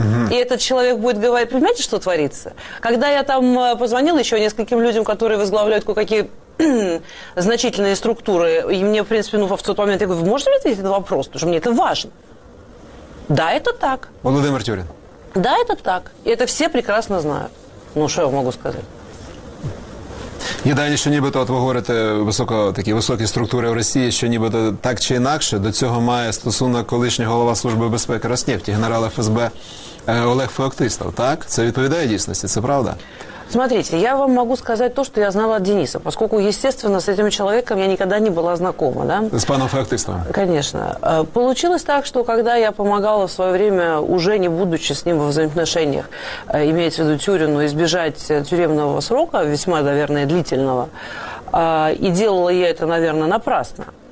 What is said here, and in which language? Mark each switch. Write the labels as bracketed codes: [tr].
[ru] И этот человек будет говорить, понимаете, что творится? Когда я там позвонила еще нескольким людям, которые возглавляют кое-какие значительные структуры, и мне, в принципе, ну, в тот момент, я говорю, вы можете мне ответить на вопрос, потому что мне это важно. Да, это так. Владимир Тюрин. Да, это так. И это все прекрасно знают. Ну, что я могу сказать? [uk] Єдині, що нібито, от ви говорите, високо, такі високі структури в Росії, що нібито так чи інакше, до цього має стосунок колишній голова Служби безпеки Роснефті, генерал ФСБ Олег Феоктистов, так? Це відповідає дійсності, це правда? [ru] Смотрите, я вам могу сказать то, что я знала от Дениса, поскольку, естественно, с этим человеком я никогда не была знакома, да? С паном Феоктистовым? Конечно. Получилось так, что когда я помогала в свое время, уже не будучи с ним во взаимоотношениях, имеется в виду Тюрину, избежать тюремного срока, весьма, наверное, длительного, и делала я это, наверное, напрасно.